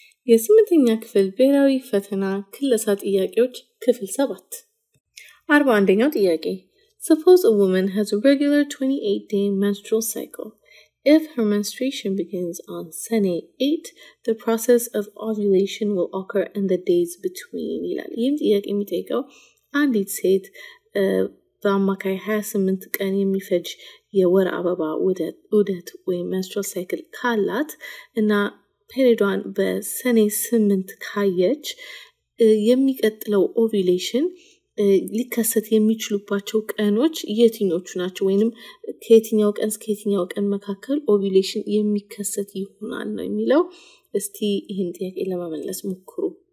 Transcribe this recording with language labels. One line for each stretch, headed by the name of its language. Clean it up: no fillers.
Amharic: የስምንተኛ ክፍል ብሔራዊ ፈተና ክለሳ ጥያቄዎች ክፍል 7 41ኛው ጥያቄ
English: Suppose a woman has a regular 28-day menstrual cycle. If her menstruation begins on Sene 8, the process of ovulation will occur in the days between.
Amharic: ይላል ይህም ጥያቄ የሚጠይቀው አንዲት ሴት በአማካይ 28 ቀን የሚፈጅ የወር አበባ ውደት ወይም menstrual cycle ካላት እና ፔሪዷን በሰኔ 8 ካየች የሚቀጥለው ኦቪሌሽን ሊከሰት የሚችሉባቸው ቀኖች የትኞቹ ናቸው ወይንም ከየትኛው ቀን እስከ የትኛው ቀን መካከል ኦቪሌሽን የሚከሰት ይሆናል ነው የሚለው እስቲ ይሄን ጥያቄ ለማመለስ ሞክሩ